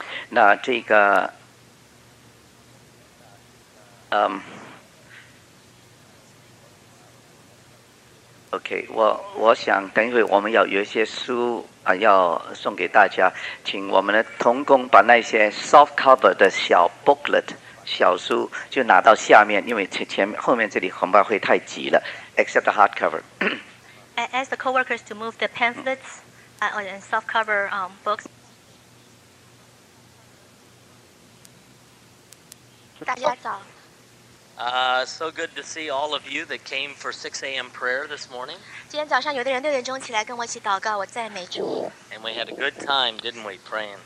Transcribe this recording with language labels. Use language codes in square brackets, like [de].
[zh] 那这个OK， 我想等一会我们要有一些书啊，要送给大家，请我们的同工把那些 [en] soft cover [zh] 的小 [en] booklet [zh] 小书就拿到下面，因为前后面这里恐怕会太挤了。 [en] Except the hard cover. I ask the coworkers to move the pamphlets and soft cover books. [zh] 大家早。 [en] So good to see all of you that came for 6 a.m. prayer this morning. [zh] 今天早上有的人六点钟起来跟我一起祷告，我赞美主。 [en] And we had a good time, didn't we, praying?